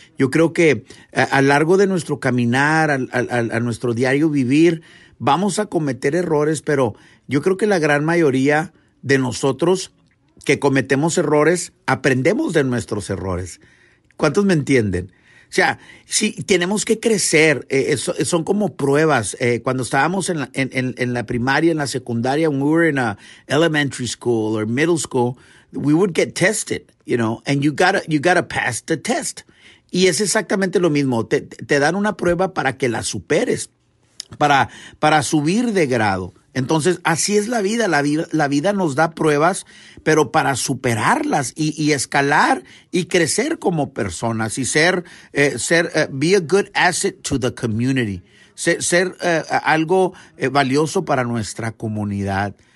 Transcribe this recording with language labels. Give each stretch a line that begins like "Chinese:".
Spanish: Yo creo que a largo de nuestro caminar, a nuestro diario vivir, vamos a cometer errores, pero yo creo que la gran mayoría de nosotros que cometemos errores, aprendemos de nuestros errores. ¿Cuántos me entienden? O sea, si tenemos que crecer, son como pruebas. Cuando estábamos en la primaria, en la secundaria,
English: when we were in a elementary school or middle school, we would get tested, you know, and you gotta pass the test.
Spanish: Y es exactamente lo mismo. Te dan una prueba para que la superes, para subir de grado. Entonces, así es la vida. La vida nos da pruebas, pero para superarlas y escalar y crecer como personas y
English: be a good asset to the community,
Spanish: ser algo valioso para nuestra comunidad.